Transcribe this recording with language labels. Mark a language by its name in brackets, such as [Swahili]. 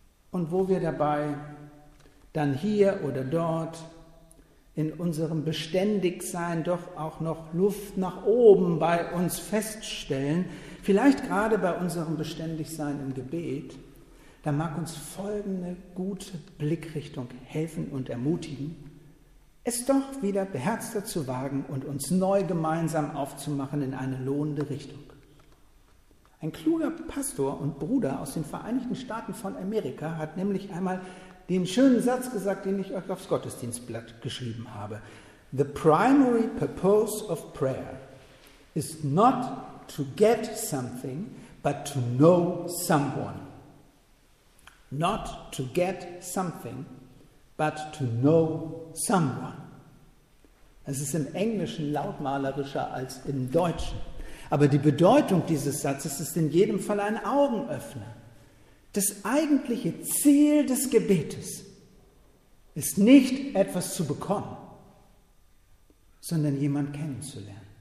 [German] Und wo wir dabei dann hier oder dort in unserem Beständigsein doch auch noch Luft nach oben bei uns feststellen, vielleicht gerade bei unserem Beständigsein im Gebet, da mag uns folgende gute Blickrichtung helfen und ermutigen, es doch wieder beherzter zu wagen und uns neu gemeinsam aufzumachen in eine lohnende Richtung. Ein kluger Pastor und Bruder aus den Vereinigten Staaten von Amerika hat nämlich einmal den schönen Satz gesagt, den ich euch aufs Gottesdienstblatt geschrieben habe. [English] The primary purpose of prayer is not to get something, but to know someone. Not to get something, but to know someone. [German] Es ist im Englischen lautmalerischer als im Deutschen. Aber die Bedeutung dieses Satzes ist in jedem Fall ein Augenöffner. Das eigentliche Ziel des Gebetes ist nicht, etwas zu bekommen, sondern jemanden kennenzulernen.